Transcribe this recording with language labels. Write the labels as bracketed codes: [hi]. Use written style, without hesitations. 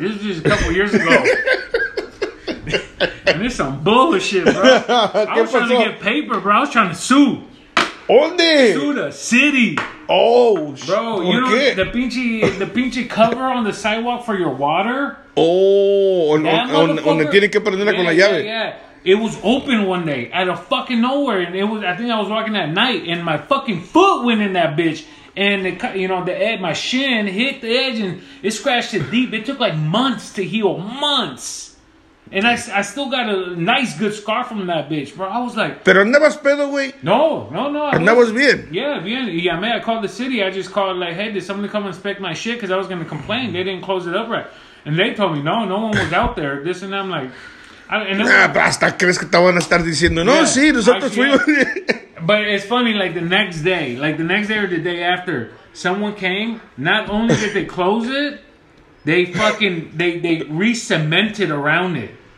[en] This is just a couple years ago. And this is some bullshit, bro. I was trying to get paper, bro. I was trying to sue. [es] ¿Dónde? [en] Sue the city. Oh, bro, you know the pinche cover on the sidewalk for your water? [es] Oh, donde tiene que prenderla con la llave. [en] Yeah, it was open one day out of fucking nowhere, and it was, I think I was walking at night, and my fucking foot went in that bitch, and my shin hit the edge, and it scratched it deep. It took like months to heal, months. And I still got a nice good scar from that bitch, bro. I was like... [es] Pero andabas pedo, güey. No. Andabas bien. [en] Yeah, bien. Yeah, man, I called the city. I just called, like, hey, did somebody come inspect my shit? Because I was going to complain. They didn't close it up right. And they told me, no one was out there. This and that. I'm like... [es] Hasta crees que te van a estar diciendo. No, sí, nosotros fuimos. [en] But it's funny, like, the next day or the day after, someone came. Not only did they close it, they fucking, they re-cemented around it.